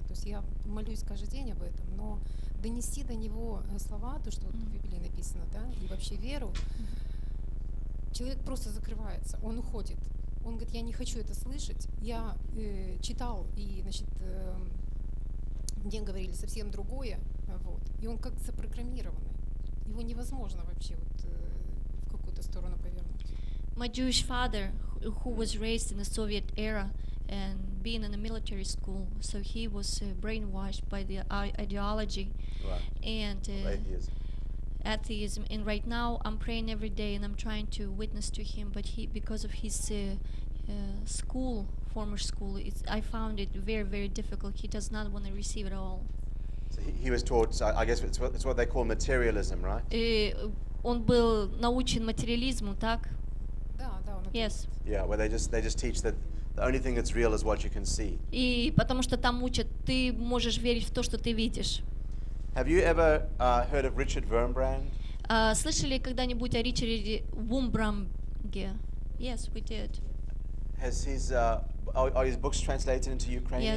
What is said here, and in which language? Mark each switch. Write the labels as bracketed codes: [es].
[ru] То есть я молюсь каждый день об этом, но донести до него слова, то, что в Библии написано, да, и вообще веру, человек просто закрывается, он уходит. Он говорит, я не хочу это слышать. Я читал, и, значит, мне говорили совсем другое. Вот. И он как запрограммированный. Его невозможно вообще вот, в какую-то сторону повернуть. [en] My Jewish father, who was raised in the Soviet era and being in a military school, so he was brainwashed by the ideology. Right. And atheism, and right now I'm praying every day and I'm trying to witness to him, but he, because of his former school, it's, I found it very, very difficult. He does not want to receive it all. So he was taught, I guess it's what they call materialism, right? [ru] Он был научен материализму, так? Да, да, он. [en] Yes. Yeah, where they just teach that the only thing that's real is what you can see. [ru] И потому что там учат, ты можешь верить в то, что ты видишь. [en] Have you ever heard of Richard Wurmbrand? [ru] Слышали когда-нибудь о Ричарде Вурмбранге? [en] Yes, we did. Has his are his books translated into Ukrainian?